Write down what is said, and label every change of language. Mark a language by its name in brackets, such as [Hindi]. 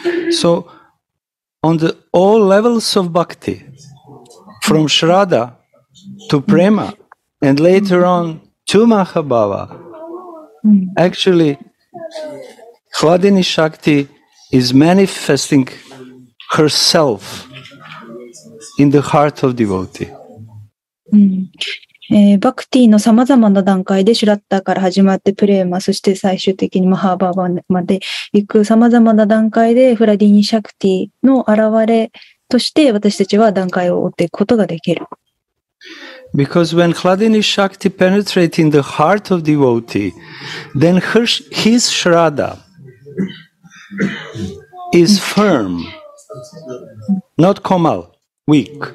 [English] So, on the all levels of bhakti, from Shraddha,to prema and later on to mahabhava, actually Hladini Shakti is manifesting herself in the heart of devotee. [Japanese] バクティのさまざまな段階でシュラッタから始まってプレーマ、そして最終的にマハバーバーまで行くさまざまな段階でフラディニシャクティの現れとして私たちは段階を追っていくことができる。 [English] Because when Hladini Shakti penetrates in the heart of devotee, then his Shraddha is firm, not komal, weak.